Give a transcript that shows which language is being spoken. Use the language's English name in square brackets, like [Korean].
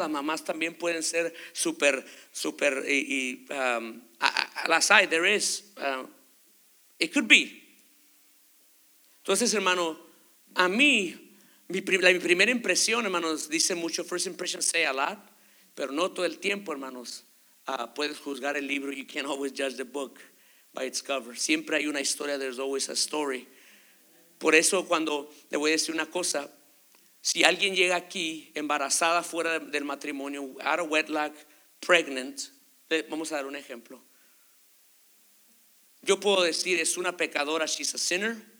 [Spanish] Las mamás también pueden ser super, super, y las hay, [English] there is, it could be. [Spanish] Entonces, hermano, a mí, mi primera impresión, hermanos, dice mucho, [English] first impression say a lot, [Spanish] pero no todo el tiempo, hermanos. Puedes juzgar el libro, [English] you can't always judge the book by its cover. [Spanish] Siempre hay una historia, [English] there's always a story. [Spanish] Por eso, cuando le voy a decir una cosa, si alguien llega aquí embarazada fuera del matrimonio, [English] out of wedlock, pregnant, [Spanish] Vamos a dar un ejemplo. Yo puedo decir, es una pecadora, [English] she's a sinner.